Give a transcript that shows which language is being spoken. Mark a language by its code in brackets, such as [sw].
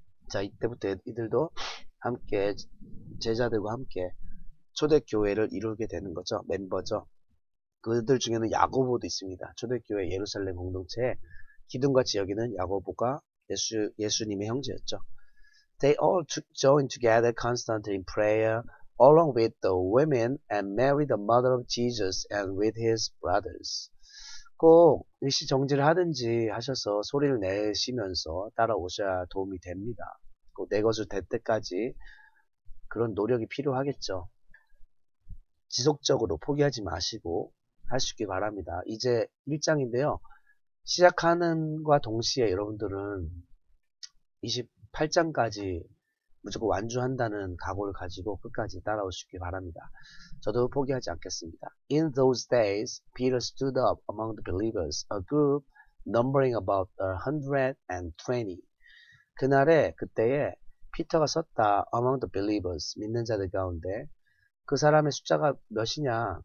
[ko] 자, 이때부터 이들도 함께, 제자들과 함께 초대교회를 이루게 되는 거죠. 멤버죠. 그들 중에는 야고보도 있습니다. 초대교회 예루살렘 공동체의 기둥같이 여기는 야고보가 예수님의 형제였죠. [en] They all joined together constantly in prayer, along with the women and Mary, the mother of Jesus, and with his brothers. [ko] 꼭 일시정지를 하든지 하셔서 소리를 내시면서 따라오셔야 도움이 됩니다. 꼭 내 것을 될 때까지 그런 노력이 필요하겠죠. 지속적으로 포기하지 마시고 할 수 있길 바랍니다. 이제 1장인데요. 시작하는과 동시에 여러분들은 28장까지 무조건 완주한다는 각오를 가지고 끝까지 따라오시기 바랍니다. 저도 포기하지 않겠습니다. [en] In those days, Peter stood up among the believers, a group numbering about 120. [ko] 그날에, 그때에 피터가 섰다. Among the believers, 믿는 자들 가운데. 그 사람의 숫자가 몇이냐?